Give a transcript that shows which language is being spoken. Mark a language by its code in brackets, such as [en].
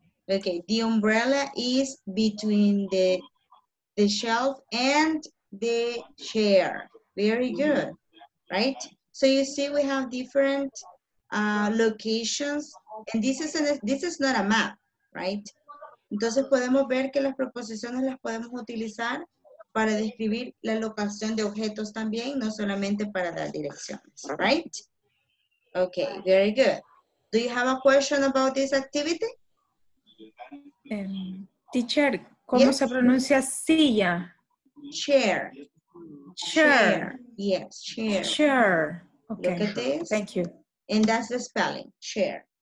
[en] Okay, the umbrella is between the shelf and the chair. Very good, right? So you see we have different locations, and this is not a map, right? [es] Entonces podemos ver que las proposiciones las podemos utilizar para describir la locación de objetos también, no solamente para dar direcciones, right? [en] Okay, very good. Do you have a question about this activity? [es] Teacher, ¿cómo yes. se pronuncia silla? [en] Chair. Chair. Yes, chair. Chair. Okay. Look at this. Thank you. And that's the spelling, chair.